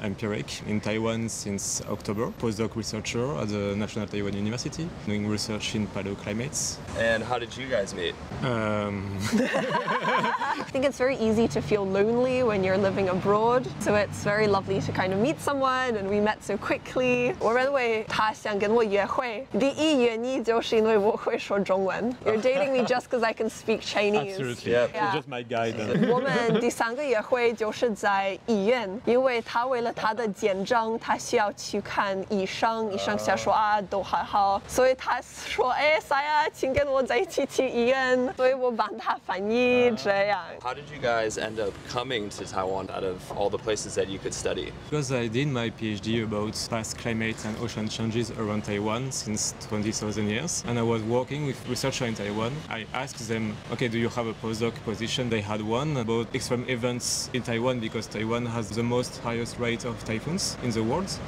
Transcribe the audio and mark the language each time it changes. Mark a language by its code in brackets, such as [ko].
[en] I'm Pierrick, in Taiwan since October, postdoc researcher at the National Taiwan University, doing research in paleoclimates. And how did you guys meet? I think it's very easy to feel lonely when you're living abroad, so it's very lovely to kind of meet someone, and we met so quickly. [zh] 我认为他想跟我约会第一原因就是因为我会说中文。 [en] Dating me just because I can speak Chinese. Absolutely, yeah. Yeah. You're just my guide. [zh] 我们第三个约会就是在医院，因为他为了他的肩章，他需要去看医生。医生想说啊，都还好，所以他说，哎，Saya，请跟我在一起去医院。所以我帮他翻译这样。 [en] How did you guys end up coming to Taiwan out of all the places that you could study? Because I did my PhD about past climate and ocean changes around Taiwan since 20,000 years, and I was working with researcher in Taiwan. I asked them, okay, do you have a postdoc position? They had one about extreme events in Taiwan because Taiwan has the most highest rate of typhoons in the world.